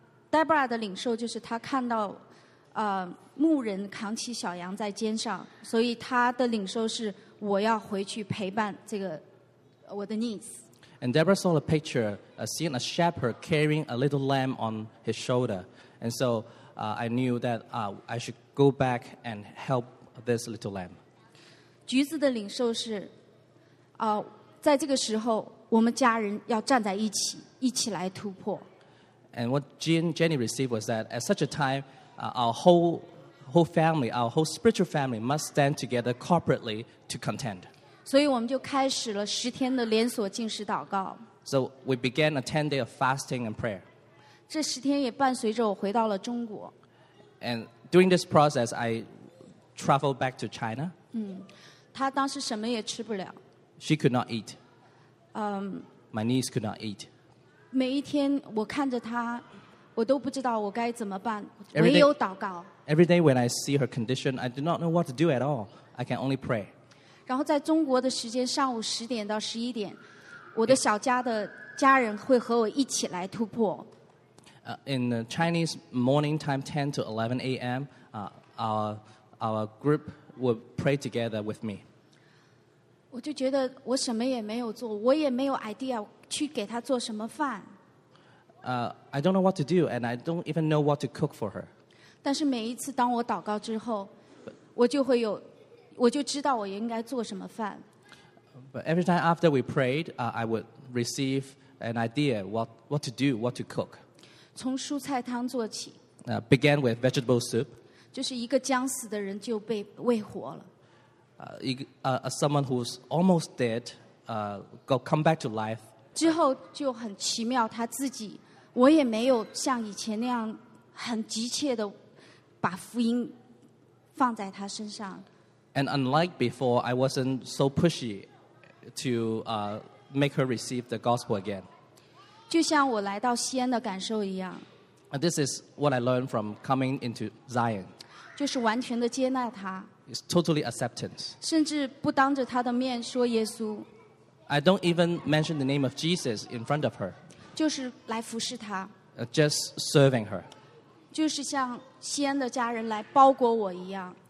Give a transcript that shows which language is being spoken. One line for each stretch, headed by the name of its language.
Chinese: Deborah 的领受就是她看到牧人扛起小羊在肩上，所以她的领受是我要回去陪伴这个我的 needs.
English: And Deborah saw a picture, seeing a shepherd carrying a little lamb on his shoulder, and so. I knew that I should go back and help this little lamb.
Chinese: 橘子的领受是，在这个时候，我们家人要站在一起，一起来突破。
English: And what Jenny received was that at such a time, our whole family, our whole spiritual family must stand together corporately to contend.
Chinese: 所以我们就开始了十天的连锁禁食祷告。
English: So we began a 10-day of fasting and prayer.
Chinese: 这十天也伴随着我回到了中国。
English: And during this process, I traveled back to China.
Chinese: 她当时什么也吃不了。
English: She could not eat. My niece could not eat.
Chinese: 每一天我看着她，我都不知道我该怎么办，唯有祷告。
English: Every day when I see her condition, I do not know what to do at all. I can only pray.
Chinese: 然后在中国的时间，上午十点到十一点，我的小家的家人会和我一起来突破。
English: In the Chinese morning time, 10 to 11 a.m., our group will pray together with me.
Chinese: 我就觉得我什么也没有做，我也没有 idea 去给她做什么饭。
English: I don't know what to do, and I don't even know what to cook for her.
Chinese: 但是每一次当我祷告之后，我就会有，我就知道我应该做什么饭。
English: But every time after we prayed, I would receive an idea what to do, what to cook.
Chinese: 从蔬菜汤做起。
English: Began with vegetable soup.
Chinese: 就是一个将死的人就被喂活了。
English: Someone who's almost dead, come back to life.
Chinese: 之后就很奇妙，他自己，我也没有像以前那样很急切的把福音放在他身上。
English: And unlike before, I wasn't so pushy to make her receive the gospel again.
Chinese: 就像我来到西安的感受一样。
English: This is what I learned from coming into Zion.
Chinese: 就是完全的接纳他。
English: It's totally acceptance.
Chinese: 甚至不当着他的面说耶稣。
English: I don't even mention the name of Jesus in front of her.
Chinese: 就是来服侍他。
English: Just serving her.
Chinese: 就是像西安的家人来包裹我一样。